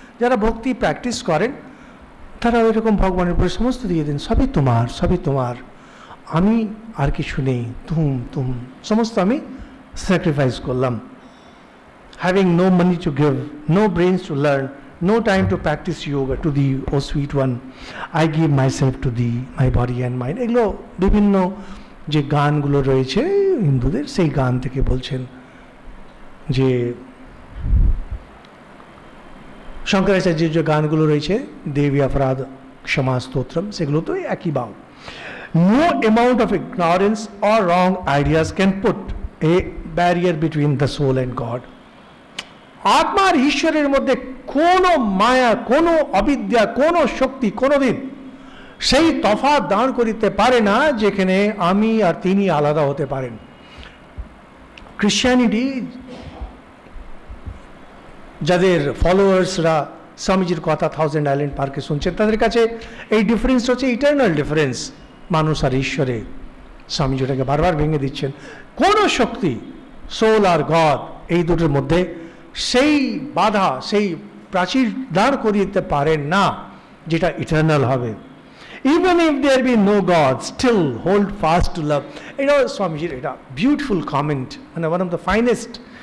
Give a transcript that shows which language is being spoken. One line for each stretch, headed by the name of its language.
Bangla: যারা ভক্তি প্র্যাকটিস করেন তারা ওইরকম ভগবানের উপরে সমস্ত দিয়ে দিন, সবই তোমার সবই তোমার, আমি আর কিছু নেই, তুম তুম সমস্ত আমি স্যাক্রিফাইস করলাম,
English: Having no money to give, no brains to learn, no time to practise yoga to the o sweet one, I give my self to the my body and mind.
Bangla: এগুলো বিভিন্ন যে গানগুলো রয়েছে হিন্দুদের, সেই গান থেকে বলছেন যে শঙ্করাচার্যের যে গানগুলো রয়েছে দেবী অপরাধ ক্ষমা স্তোত্রম, সেগুলো তো একই বাউ।
English: No amount of ignorance or wrong ideas can put a barrier between the soul and God.
Bangla: আত্মার ঈশ্বরের মধ্যে কোনো মায়া কোনো অবিদ্যা কোনো শক্তি কোনোদিন সেই তফাৎ দাঁড় করিতে পারে না যেখানে আমি আর তিনি আলাদা হতে পারেন। ক্রিশ্চিয়ানিটি যাদের ফলোয়ার্সরা স্বামীজির কথা থাউজেন্ড আইল্যান্ড পার্কে শুনছেন, তাদের কাছে এই ডিফারেন্স হচ্ছে ইটার্নাল ডিফারেন্স মানুষ আর ঈশ্বরে। স্বামীজি ওটাকে বারবার ভেঙে দিচ্ছেন, কোনো শক্তি সোল আর গড এই দুটোর মধ্যে সেই বাধা সেই প্রাচীর দাঁড় করিয়ে দিতে পারেন না যেটা ইটার্নাল হবে।
English: Even if there be no God, still hold fast to love. You know, Swamiji, it's a beautiful comment, and one of the finest.